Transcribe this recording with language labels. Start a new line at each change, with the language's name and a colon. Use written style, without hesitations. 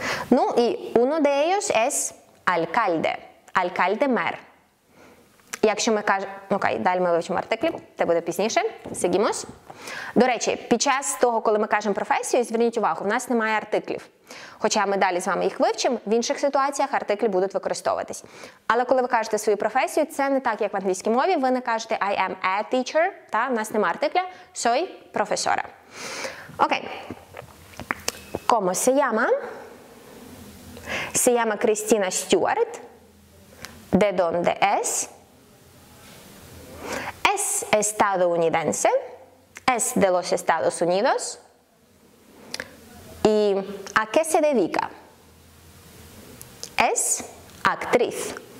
Ukrainian: Ну і
Spanish: uno de ellos es alcalde.
Ukrainian: Alcalde-mer. Якщо ми кажемо... Окей, далі ми вивчимо артиклі, це буде пізніше. Сидімось. До речі, під час того, коли ми кажемо професію, зверніть увагу, в нас немає артиклів. Хоча ми далі з вами їх вивчимо, в інших ситуаціях артиклі будуть використовуватись. Але коли ви кажете свою професію, це не так, як в англійській мові. Ви не кажете
English: «I am a teacher»,
Ukrainian: та в нас немає артикля
Spanish: «soy profesora». Окей. «Como se llama?» «Se llama Cristina Stewart?» «De donde es?» «Es estadounidense?» es de los Estados Unidos? ¿Y a qué se dedica? Es actriz.